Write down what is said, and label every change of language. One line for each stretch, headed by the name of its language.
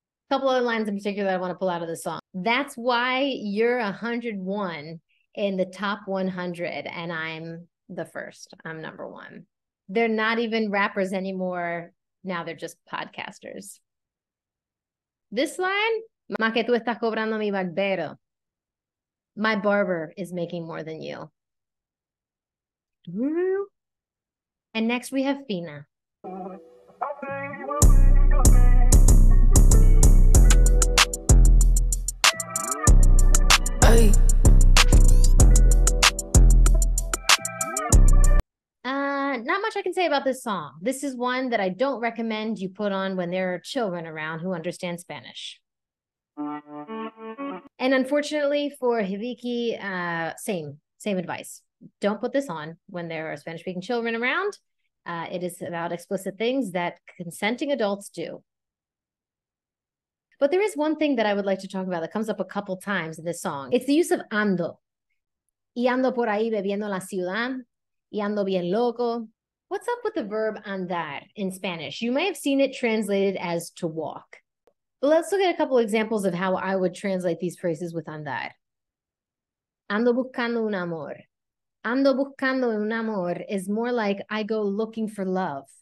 English: Couple other lines in particular that I want to pull out of the song. That's why you're 101 in the top 100 and I'm the first. I'm number one. They're not even rappers anymore. Now they're just podcasters. This line,
Spanish: más que tú estás cobrando mi barbero.
English: My barber is making more than you. And next we have Fina. Not much I can say about this song. This is one that I don't recommend you put on when there are children around who understand Spanish. And unfortunately for Hibiki, same advice. Don't put this on when there are Spanish-speaking children around. It is about explicit things that consenting adults do. But there is one thing that I would like to talk about that comes up a couple times in this song. It's the use of ando.
Spanish: Y ando por ahí bebiendo la ciudad. Y ando bien loco.
English: What's up with the verb andar in Spanish? You may have seen it translated as to walk. But let's look at a couple examples of how I would translate these phrases with andar.
Spanish: Ando buscando un amor.
English: Ando buscando un amor is more like I go looking for love.